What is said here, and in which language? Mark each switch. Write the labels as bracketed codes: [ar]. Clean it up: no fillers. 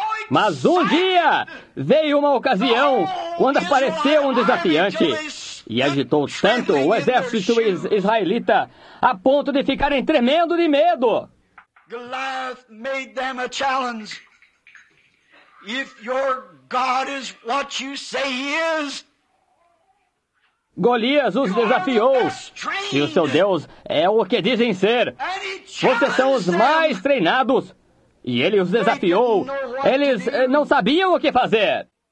[pt] Mas um dia veio uma ocasião quando apareceu um desafiante e agitou tanto o exército israelita a ponto de ficarem tremendo de medo. [en] Goliath made them a challenge. If your God is what you say he is, [pt] Golias os desafiou. Se o seu Deus é o que dizem ser, vocês são os mais treinados. E ele os desafiou. Eles não sabiam o que fazer.